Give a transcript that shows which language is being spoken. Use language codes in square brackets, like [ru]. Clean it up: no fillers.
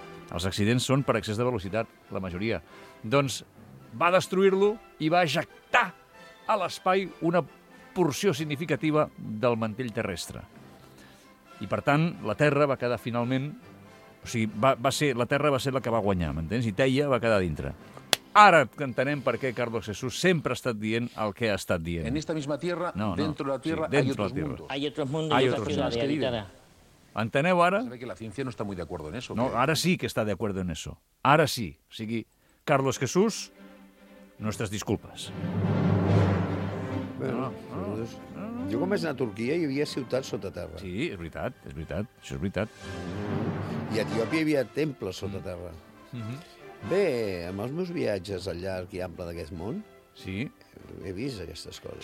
[ca] Els accidents són per excés de velocitat, la majoria. Doncs va destruir-lo i va ejectar a l'espai una porció significativa del mantell terrestre. I, per tant, la Terra va quedar finalment... O sigui, va ser, la Terra va ser la que va guanyar, m'entens? I Teia va quedar dintre. Ara entenem per què Carlos Jesús sempre ha estat dient el que ha estat dient. [es] En esta misma tierra, no, dentro de la tierra, sí, hay otros mundos. Hay otros mundos. Hay otros mundos. [ca] Enteneu ara? [es] Sabe que la ciencia no está muy de acuerdo en eso. [ca] No, ara sí que està [es] de acuerdo en eso. [ca] Ara sí. O sigui, [es] Carlos Jesús, nuestras disculpas. [ca] Bueno, jo quan vaig anar a Turquia hi havia ciutats sota terra. Sí, és veritat, és veritat. Això és veritat. I a Etiòpia hi havia temples sota terra. Bé, amb els meus viatges al llarg i ample d'aquest món, sí, he vist aquestes coses.